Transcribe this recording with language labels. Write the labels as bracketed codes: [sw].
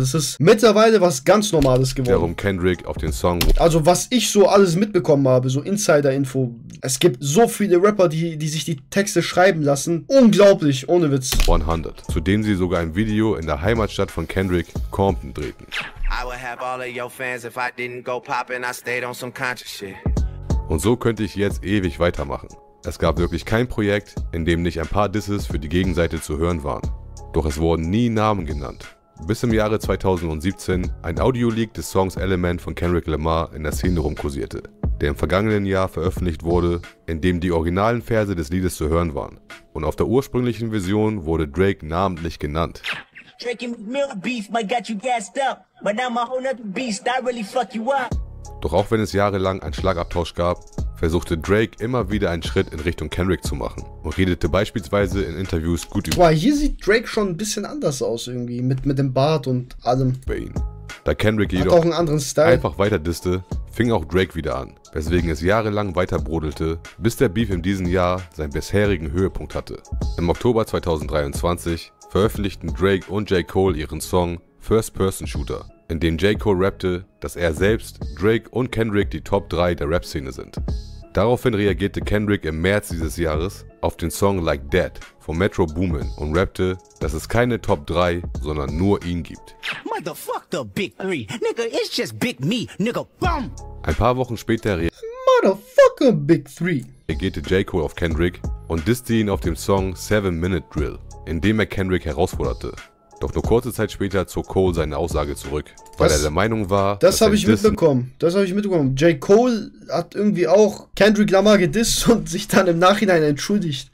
[de] Das ist mittlerweile was ganz Normales geworden. Darum Kendrick auf den Song... Also was ich so alles mitbekommen habe, so Insider-Info. Es gibt so viele Rapper, die sich die Texte schreiben lassen. Unglaublich, ohne Witz. 100. Zu dem sie sogar ein Video in der Heimatstadt von Kendrick, Compton, drehten. [en] I would have all of your fans if I didn't go poppin', I stayed on some conscious shit. [de] Und so könnte ich jetzt ewig weitermachen. Es gab wirklich kein Projekt, in dem nicht ein paar Disses für die Gegenseite zu hören waren. Doch es wurden nie Namen genannt. Bis im Jahre 2017 ein Audioleak des Songs Element von Kendrick Lamar in der Szene rumkursierte, der im vergangenen Jahr veröffentlicht wurde, in dem die originalen Verse des Liedes zu hören waren. Und auf der ursprünglichen Version wurde Drake namentlich genannt. [en] Drake and Mill beef might got you gassed up, but now my whole nother beast, I really fuck you up. [de] Doch auch wenn es jahrelang einen Schlagabtausch gab, versuchte Drake immer wieder einen Schritt in Richtung Kendrick zu machen und redete beispielsweise in Interviews gut über... Boah, hier sieht Drake schon ein bisschen anders aus irgendwie, mit dem Bart und allem. Da Kendrick jedoch auch einen anderen Style. Einfach weiter disste, fing auch Drake wieder an, weswegen es jahrelang weiter brodelte, bis der Beef in diesem Jahr seinen bisherigen Höhepunkt hatte. Im Oktober 2023 veröffentlichten Drake und J. Cole ihren Song First Person Shooter, in dem J. Cole rappte, dass er selbst, Drake und Kendrick die Top 3 der Rap-Szene sind. Daraufhin reagierte Kendrick im März dieses Jahres auf den Song Like That von Metro Boomin und rappte, dass es keine Top 3, sondern nur ihn gibt. [en] Motherfuck the big three, nigga, it's just big me, nigga, bum! [de] Ein paar Wochen später reagierte J. Cole auf Kendrick und disste ihn auf dem Song 7-Minute Drill, in dem er Kendrick herausforderte. Doch nur kurze Zeit später zog Cole seine Aussage zurück, weil er der Meinung war, Das habe ich mitbekommen. J. Cole hat irgendwie auch Kendrick Lamar gedisst und sich dann im Nachhinein entschuldigt.